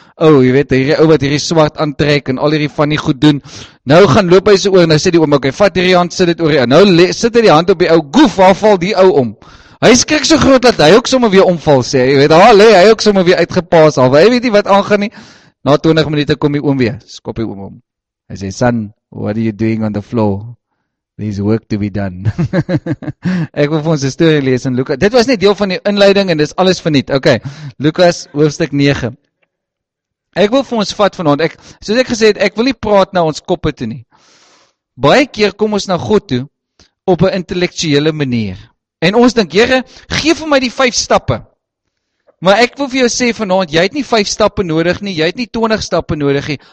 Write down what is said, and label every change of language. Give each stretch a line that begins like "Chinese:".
Afrikaans: Ou, jy weet, hierdie ou wat hierdie swart aantrek en al hierdie van die goed doen. Nou gaan loop hy so oor en hy sê die oom, okay, vat hierdie hand, sit dit oor hier. Nou sit hy die hand op die ou, goef, waar val die ou om? Hy skrik so groot dat hy ook sommer weer omval sê, jy weet, haal, hy ook sommer weer uitgepaas al, hy weet nie wat aangaan nie. Na 20 minute kom die oom weer, skop die oom om. Hy sê,
English: son, what are you doing on the floor? There's work to be done.
Afrikaans: Ek wil vir ons die story lees in Lukas. Dit was net deel van die inleiding en dis alles verniet. Okay, Lukas hoofstuk 9. Ek wil vir ons vat vanaand, soos ek gesê het, ek wil nie praat na ons koppe toe nie. Baie keer kom ons na God toe, op 'n intellektuele manier. En ons dink, Here, gee vir my die 5 stappe. Maar ek wil vir jou sê vanaand, jy het nie 5 stappe nodig nie, jy het nie 20 stappe nodig nie.